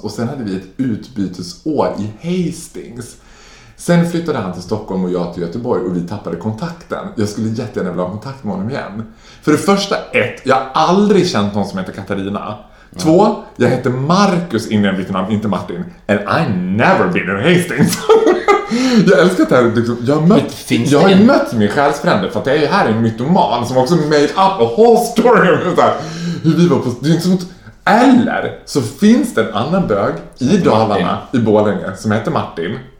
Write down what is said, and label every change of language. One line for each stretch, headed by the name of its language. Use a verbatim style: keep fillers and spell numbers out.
Swedish: Och sen hade vi ett utbytesår i Hastings. Sen flyttade han till Stockholm och jag till Göteborg och vi tappade kontakten. Jag skulle jättegärna vilja ha kontakt med honom igen. För det första, ett, jag har aldrig känt någon som heter Katarina. Mm. Två, jag heter Marcus innan mitt namn, inte Martin.
English: And I never been in Hastings.
Swedish: Jag älskar det här. Liksom, jag har mött, jag har mött min själsfrände för att jag är ju här en mytoman som också
English: made up a whole story.
Swedish: Så här, hur vi var på, det är inte sånt. Eller så finns det en annan bög i Dalarna, Martin. I Borlänge, som heter Martin.